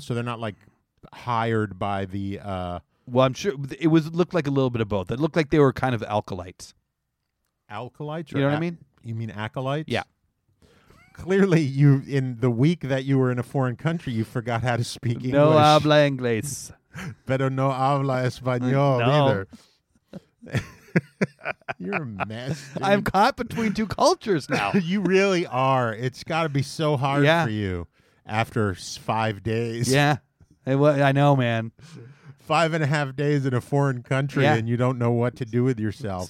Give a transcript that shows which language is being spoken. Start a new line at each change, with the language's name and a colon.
English: So they're not like hired by the. Well, I'm sure it was looked like a little bit of both. It looked like they were kind of alkalites. Alkalites, you know what I mean? You mean acolytes? Yeah. Clearly, you in the week that you were in a foreign country, you forgot how to speak English.
Spanish: No habla inglés. Pero no habla español either.
English: You're a mess, dude. I'm caught between two cultures now. You really are. It's got to be so hard for you after 5 days. Yeah. I know, man. 5.5 days in a foreign country and you don't know what to do with yourself.